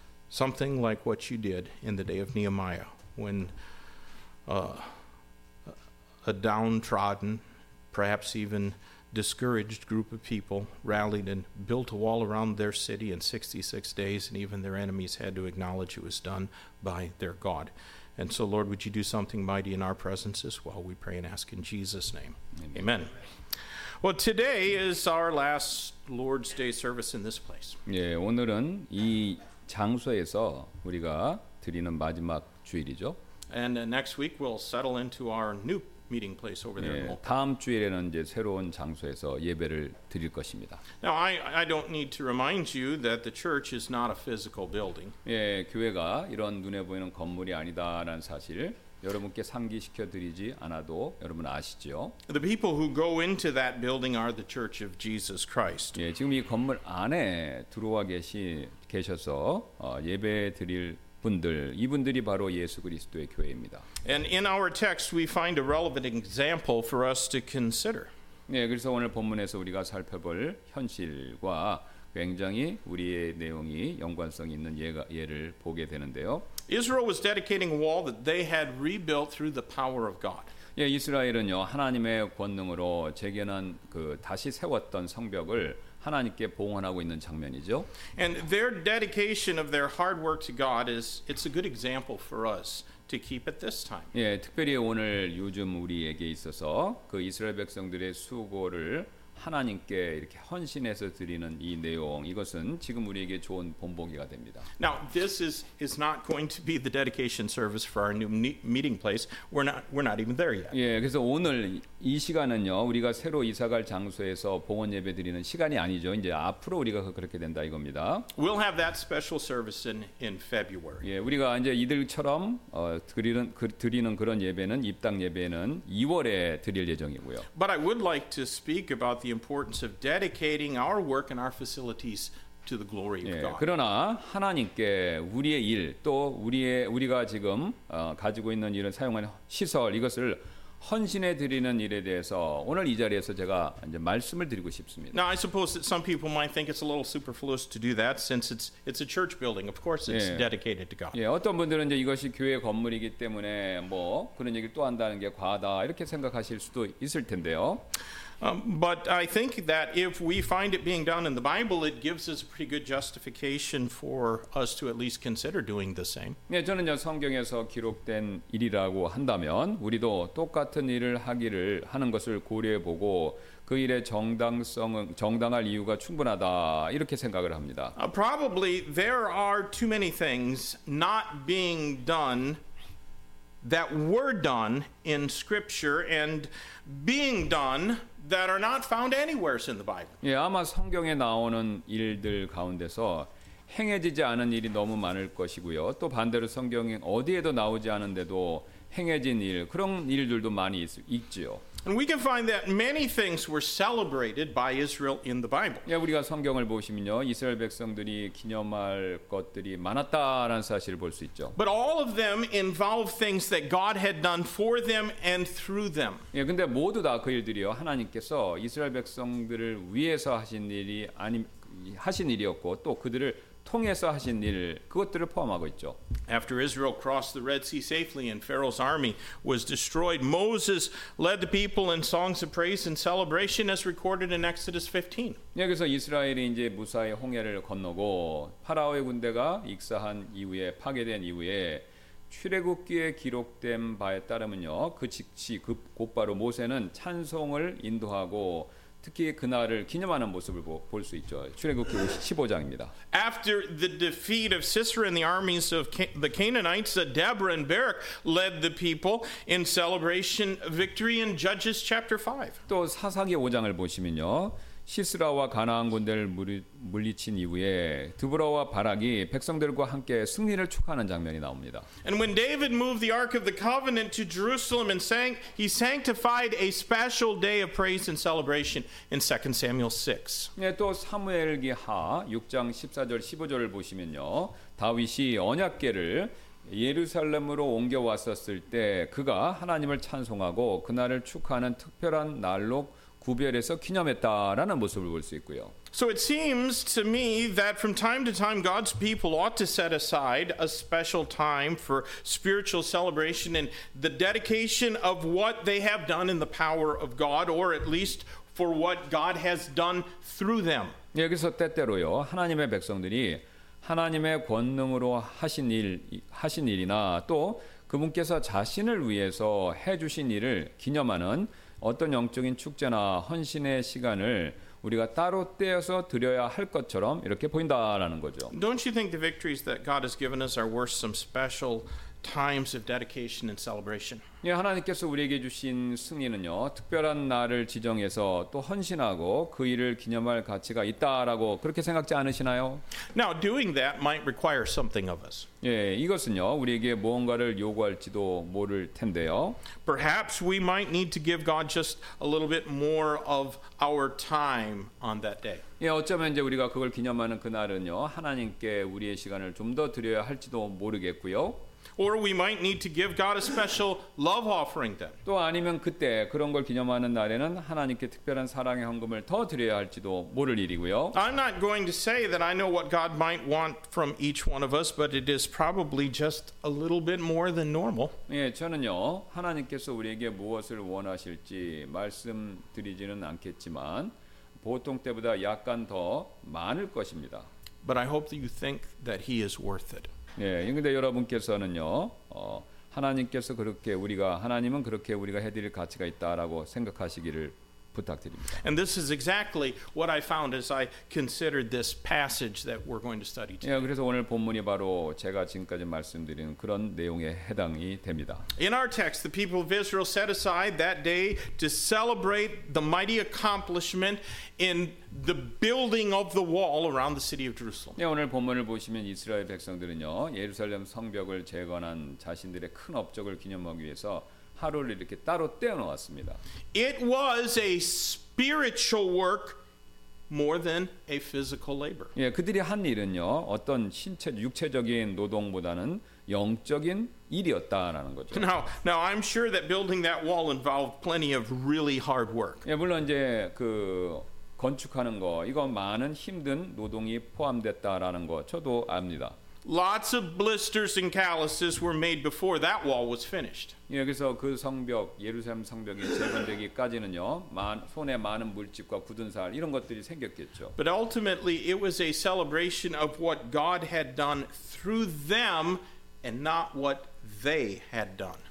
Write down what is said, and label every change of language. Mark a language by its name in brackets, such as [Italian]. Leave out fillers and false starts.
[English] Something like what you did in the day of Nehemiah, when a downtrodden, perhaps even discouraged group of people rallied and built a wall around their city in 66 days, and even their enemies had to acknowledge it was done by their God. And so, Lord, would you do something mighty in our presence as well? We pray and ask in Jesus' name. Amen. Amen. Well, today is our last Lord's Day service in this place. [Korean] 예, 오늘은 이 장소에서 우리가 드리는 마지막 주일이죠. [English] And next week we'll settle into our new meeting place over there. [Korean] 예, 다음 주일에는 이제 새로운 장소에서 예배를 드릴 것입니다. [English] Now I don't need to remind you that the church is not a physical building. [Korean] 예, 교회가 이런 눈에 보이는 건물이 아니다라는 사실 여러분께 상기시켜 드리지 않아도 여러분 아시죠? [English] The people who go into that building are the Church of Jesus Christ. [Korean] 예, 지금 이 건물 안에 들어와 계셔서 예배 드릴 분들, 이분들이 바로 예수 그리스도의 교회입니다. [English] And in our text, we find a relevant example for us to consider. [Korean] 예, 그래서 오늘 본문에서 우리가 살펴볼 현실과 굉장히 우리의 내용이 연관성 있는 예를 보게 되는데요. [English] Israel was dedicating a wall that they had rebuilt through the power of God. [Korean] 예, 이스라엘은요 하나님의 권능으로 재건한 다시 세웠던 성벽을 하나님께 봉헌하고 있는 장면이죠. [English] And their dedication of their hard work to God is—it's a good example for us to keep at this time. [Korean] 예, 특별히 오늘 요즘 우리에게 있어서 그 이스라엘 백성들의 수고를 하나님께 이렇게 헌신해서 드리는 이 내용 이것은 지금 우리에게 좋은 본보기가 됩니다. [English] Now this is not going to be the dedication service for our new meeting place. We're not even there yet. [Korean] 예, 그래서 오늘 이 시간은요. 우리가 새로 이사 갈 장소에서 봉헌 예배 드리는 시간이 아니죠. 이제 앞으로 우리가 그렇게 된다 이겁니다. [English] We'll have that special service in February. [Korean] 예, 우리가 이제 이들처럼 드리는 그런 예배는 입당 예배는 2월에 드릴 예정이고요. [English] But I would like to speak about the importance of dedicating our work and our facilities to the glory of God. [Korean] 그러나 하나님께 우리의 일 또 우리의 우리가 지금 가지고 있는 일을 사용하는 시설 이것을 헌신해 드리는 일에 대해서 오늘 이 자리에서 제가 이제 말씀을 드리고 싶습니다. [English] Now I suppose that some people might think it's a little superfluous to do that since it's a church building. Of course it's dedicated to God. [Korean] 예, 어떤 분들은 이제 이것이 교회 건물이기 때문에 뭐 그런 얘기를 또 한다는 게 과하다 이렇게 생각하실 수도 있을 텐데요. [English] But I think that if we find it being done in the Bible, it gives us a pretty good justification for us to at least consider doing the same. [Korean] 네, 저는요 성경에서 기록된 일이라고 한다면 우리도 똑같은 일을 하기를 하는 것을 고려해보고 그 일의 정당할 이유가 충분하다 이렇게 생각을 합니다. [English] Probably there are too many things not being done that were done in Scripture and being done. That are not found anywhere in the Bible. [Korean] 예, 아마 성경에 나오는 일들 가운데서 행해지지 않은 일이 너무 많을 것이고요. 또 반대로 성경에 어디에도 나오지 않은데도 행해진 일 그런 일들도 많이 있지요. [English] And we can find that many things were celebrated by Israel in the Bible. [Korean] 예, 우리가 성경을 보시면요, 이스라엘 백성들이 기념할 것들이 많았다라는 사실을 볼 수 있죠. [English] But all of them involved things that God had done for them and through them. [Korean] 예, 근데 모두 다 그 일들이요, 하나님께서 이스라엘 백성들을 위해서 하신 일이 아니 하신 일이었고 또 그들을 통해서 하신 일 그것들을 포함하고 있죠. [English] After Israel crossed the Red Sea safely and Pharaoh's army was destroyed, Moses led the people in songs of praise and celebration as recorded in Exodus 15. [Korean] 여기서 이스라엘이 이제 무사히 홍해를 건너고 파라오의 군대가 익사한 이후에 파괴된 이후에 출애굽기에 기록된 바에 따르면요. 그 즉시 그 곧바로 모세는 찬송을 인도하고 특히 그날을 기념하는 모습을 볼 수 있죠. 출애굽기 15장입니다. [English] After the defeat of Sisera and the armies of the Canaanites, Deborah and Barak led the people in celebration victory in Judges chapter 5. [Korean] 또 사사기 5장을 보시면요. 시스라와 가나안 군대를 물리친 이후에 드보라와 바락이 백성들과 함께 승리를 축하하는 장면이 나옵니다. [English] And when David moved the ark of the covenant to Jerusalem and sang, he sanctified a special day of praise and celebration in 2 Samuel 6. [Korean] 네, 또 사무엘기하 6장 14절 15절을 보시면요. 다윗이 언약궤를 예루살렘으로 옮겨 왔었을 때 그가 하나님을 찬송하고 그날을 축하하는 특별한 날로 구별해서 기념했다라는 모습을 볼 수 있고요. [English] So it seems to me that from time to time God's people ought to set aside a special time for spiritual celebration and the dedication of what they have done in the power of God or at least for what God has done through them. [Korean] 여기서 때때로요. 하나님의 백성들이 하나님의 권능으로 하신 일이나 또 그분께서 자신을 위해서 해 주신 일을 기념하는 어떤 영적인 축제나 헌신의 시간을 우리가 따로 떼어서 드려야 할 것처럼 이렇게 보인다라는 거죠. [English] Don't you think the victories that God has given us are worth some special times of dedication and celebration? [Korean] 예, 하나님께서 우리에게 주신 승리는요, 특별한 날을 지정해서 또 헌신하고 그 일을 기념할 가치가 있다라고 그렇게 생각지 않으시나요? [English] Now doing that might require something of us. [Korean] 예, 이것은요, 우리에게 무언가를 요구할지도 모를 텐데요. [English] Perhaps we might need to give God just a little bit more of our time on that day. [Korean] 예, 어쩌면 이제 우리가 그걸 기념하는 그 날은요, 하나님께 우리의 시간을 좀 더 드려야 할지도 모르겠고요. [English] Or we might need to give God a special love offering then. [Korean] 또 아니면 그때 그런 걸 기념하는 날에는 하나님께 특별한 사랑의 헌금을 더 드려야 할지도 모를 일이고요. [English] I'm not going to say that I know what God might want from each one of us, but it is probably just a little bit more than normal. [Korean] 예, 저는요 하나님께서 우리에게 무엇을 원하실지 말씀드리지는 않겠지만 보통 때보다 약간 더 많을 것입니다. [English] But I hope that you think that He is worth it. [Korean] 예, 그런데 여러분께서는요, 하나님께서 그렇게 우리가 하나님은 그렇게 우리가 해드릴 가치가 있다라고 생각하시기를 부탁드립니다. [English] And this is exactly what I found as I considered this passage that we're going to study today. [Korean] 예, 그래서 오늘 본문이 바로 제가 지금까지 말씀드린 그런 내용에 해당이 됩니다. [English] In our text, the people of Israel set aside that day to celebrate the mighty accomplishment in the building of the wall around the city of Jerusalem. [Korean] 예, 오늘 본문을 보시면 이스라엘 백성들은요, 예루살렘 성벽을 재건한 자신들의 큰 업적을 기념하기 위해서 하루를 이렇게 따로 떼어 놓았습니다. [English] It was a spiritual work more than a physical labor. [Korean] 예, 그들이 한 일은요, 어떤 신체 육체적인 노동보다는 영적인 일이었다라는 거죠. [English] Now I'm sure that building that wall involved plenty of really hard work. [Korean] 예, 물론 이제 그 건축하는 거 이거 많은 힘든 노동이 포함됐다라는 거 저도 압니다. [English] Lots of blisters and calluses were made before that wall was finished. [Korean] 예, 그래서 그 성벽 예루살렘 성벽이 재건되기까지는요, 손에 많은 물집과 굳은 살 이런 것들이 생겼겠죠. [English] But ultimately, it was a celebration of what God had done through them, and not what they had done.